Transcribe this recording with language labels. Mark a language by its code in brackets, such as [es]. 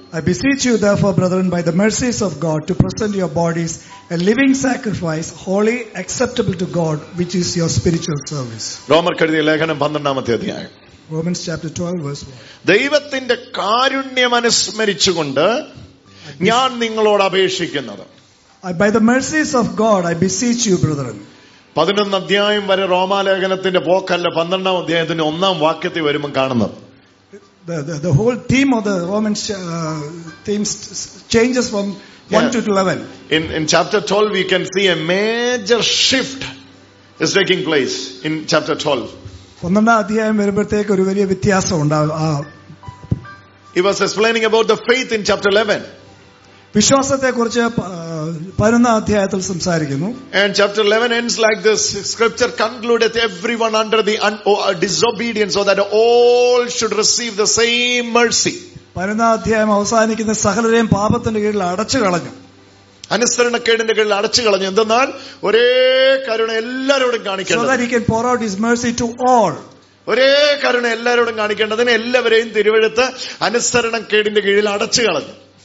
[en] I beseech you therefore, brethren, by the mercies of God, to present your bodies a living sacrifice, holy, acceptable to God, which is your spiritual service. [ml] റോമർ കെഴുതിയ ലേഖനം 12-ാമത്തെ അധ്യായം. [en] Romans chapter 12:1. [ml] ദൈവത്തിന്റെ കാരുണ്യം അനുസ്മരിച്ചുകൊണ്ട് ഞാൻ നിങ്ങളോട് അപേക്ഷിക്കുന്നത്. [en] By the mercies of God, I beseech you, brethren. [ml] പതിനൊന്ന് അധ്യായം വരെ റോമാലേഖനത്തിന്റെ പോക്കല്ല, പന്ത്രണ്ടാം അധ്യായത്തിന്റെ ഒന്നാം വാക്യത്തിൽ വരുമ്പോൾ കാണുന്നത്. [en] The whole theme of the Romans themes changes from 1 to 11. In chapter 12 we can see a major shift is taking place in chapter 12. [ml] ഒന്നാം അധ്യായം വരുമ്പോഴേക്ക് ഒരു വലിയ വ്യത്യാസം ഉണ്ടാവും. [en] He was explaining about the faith in chapter 11. [ml] വിശ്വാസത്തെ കുറിച്ച് പതിനൊന്നാം അധ്യായത്തിൽ സംസാരിക്കുന്നു. [en] And chapter 11 ends like this. Scripture concludes everyone under the disobedience so that all should receive the same mercy. [ml] പതിനൊന്നാം അധ്യായം അവസാനിക്കുന്ന സകലരെയും പാപത്തിന്റെ കീഴിൽ അടച്ചു കളഞ്ഞു, അനുസരണക്കേടിന്റെ കീഴിൽ അടച്ചു കളഞ്ഞു. എന്തെന്നാൽ ഒരേ കരുണ എല്ലാവരോടും കാണിക്കേണ്ടത്. ഒരേ കരുണ എല്ലാവരോടും കാണിക്കേണ്ടതിന് എല്ലാവരെയും തിരുവെഴുത്ത് അനുസരണക്കേടിന്റെ കീഴിൽ അടച്ചു കളഞ്ഞു.